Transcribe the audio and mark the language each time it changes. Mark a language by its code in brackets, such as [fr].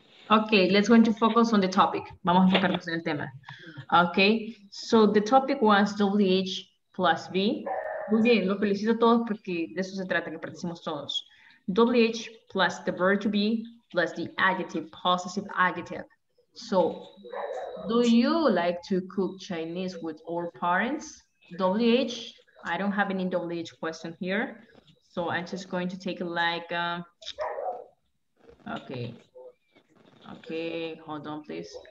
[en] Okay, let's going to focus on the topic. [es] Vamos a enfocarnos en el tema. [en] Okay, so the topic was WH plus V. [es] Muy bien, lo felicito a todos porque de eso se trata, que participemos todos. [en] WH plus the verb to be plus the adjective, possessive adjective. So, do you like to cook Chinese with all parents? WH, I don't have any WH question here. So I'm just going to take like... Okay, hold on, please.